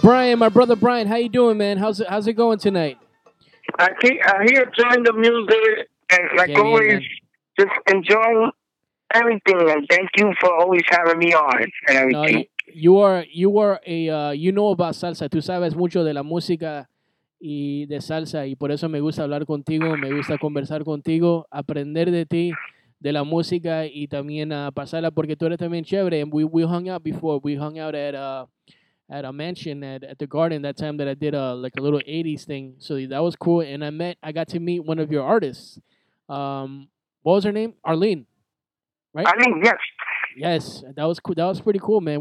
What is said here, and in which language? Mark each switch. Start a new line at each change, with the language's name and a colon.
English: Brian, my brother Brian, how you doing, man? How's it going tonight? I hear enjoying the music and like always, just enjoying everything. And thank you for always having me on and everything. You know about salsa.
Spanish: Tú sabes mucho de la música y de salsa, y por eso me gusta hablar contigo, me gusta conversar contigo, aprender de ti, de la música, y también pasarla, porque tú eres también chévere.
English: And we hung out before. We hung out at a mansion at the garden that time that I did like a little 80s thing. So that was cool. And I got to meet one of your artists. What was her name? Arlene, right? Arlene, yes. Yes, that was cool. That was pretty cool, man.